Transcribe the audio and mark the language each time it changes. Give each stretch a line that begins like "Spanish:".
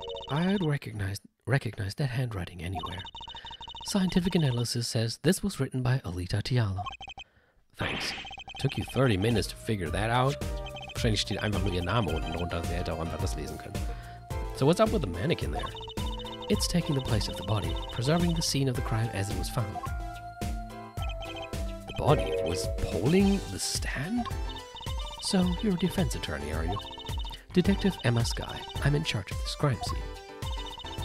English: I'd recognize that handwriting anywhere. Scientific analysis says this was written by Alita Tiala. Thanks. Took you 30 minutes to figure that out?
German: Wahrscheinlich steht einfach nur ihr Name unten drunter, sie hätte auch einfach das lesen können.
English: So what's up with the mannequin there? It's taking the place of the body, preserving the scene of the crime as it was found. The body was pulling the stand? So, you're a defense attorney, are you? Detective Emma Sky, I'm in charge of this crime scene.